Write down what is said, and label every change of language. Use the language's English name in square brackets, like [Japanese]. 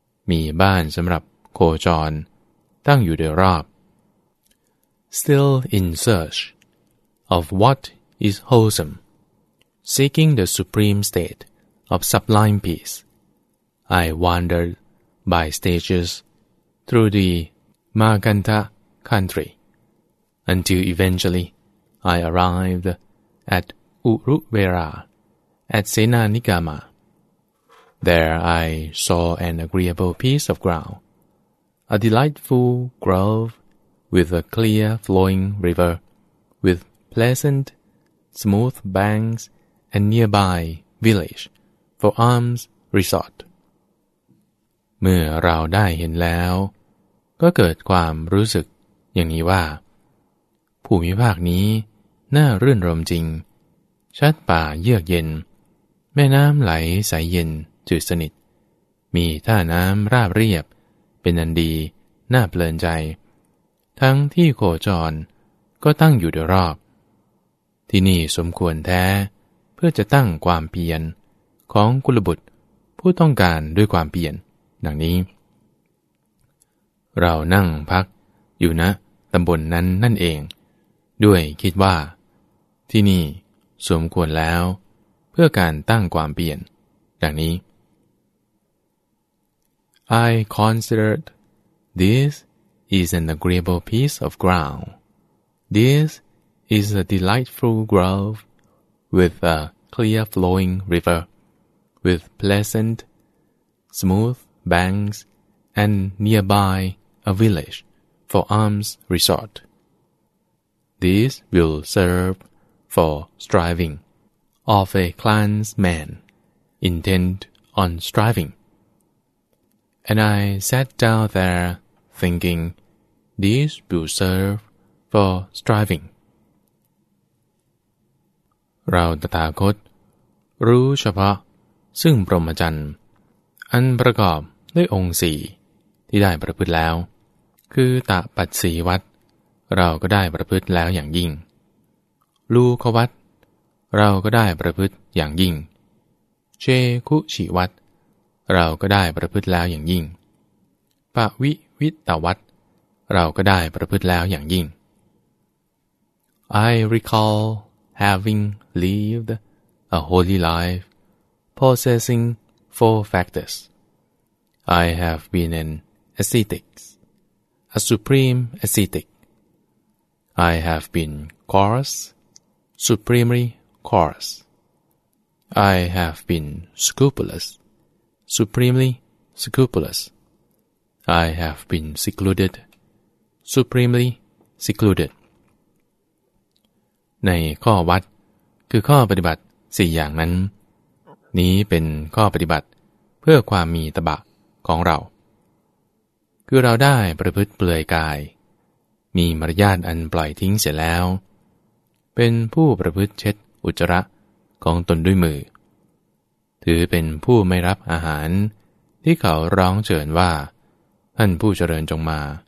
[Thai] มีบ้านสำหรับโคจรตั้งอยู่โดยรอบ [English] Still in search of what is wholesome Seeking the supreme state of sublime peace I wandered by stages through the Maganta country until eventually I arrived at Uruvera at Senanigama. There I saw an agreeable piece of ground, a delightful grove with a clear flowing river with pleasant smooth banks and nearby village for arms resort. [Thai] เมื่อเราได้เห็นแล้วก็เกิดความรู้สึกอย่างนี้ว่าภูมิภาคนี้น่ารื่นรมจริงชัดป่าเยือกเย็นแม่น้ำไหลใสเย็นจืดสนิทมีท่าน้ำราบเรียบเป็นอันดีน่าเพลินใจทั้งที่โคจรก็ตั้งอยู่โดยรอบ ที่นี่สมควรแท้เพื่อจะตั้งความเพียรของกุลบุตรผู้ต้องการด้วยความเพียรดังนี้ เรานั่งพักอยู่ณตำบลนั้นนั่นเองด้วยคิดว่าที่นี่สมควรแล้วเพื่อการตั้งความเพียรดังนี้ [English] I considered this is an agreeable piece of ground. This is a delightful grove. With a clear flowing river, with pleasant, smooth banks, and nearby a village for arms resort. This will serve for striving of a clansman intent on striving. And I sat down there thinking, this will serve for striving. [Thai] เราตถาคตรู้เฉพาะซึ่งพรหมจรรย์อันประกอบด้วยองค์สี่ที่ได้ประพฤติแล้วคือตะปัตสีวัดเราก็ได้ประพฤติแล้วอย่างยิ่ง ลูควัดเราก็ได้ประพฤติอย่างยิ่งเชคุชิวัดเราก็ได้ประพฤติแล้วอย่างยิ่งปวิวิตตวัดเราก็ได้ประพฤติแล้วอย่างยิ่ง [English] I recallHaving lived a holy life, possessing four factors, I have been an ascetic, a supreme ascetic. I have been coarse, supremely coarse. I have been scrupulous, supremely scrupulous. I have been secluded, supremely secluded. [Thai] ในข้อวัดคือข้อปฏิบัติ4อย่างนั้นนี้เป็นข้อปฏิบัติเพื่อความมีตบะ ของเราคือเราได้ประพฤติเปลือยกายมีมารยาทอันปล่อยทิ้งเสร็จแล้วเป็นผู้ประพฤติเช็ดอุจจาระของตนด้วยมือถือเป็นผู้ไม่รับอาหารที่เขาร้องเชิญว่าท่านผู้เจริญจงมา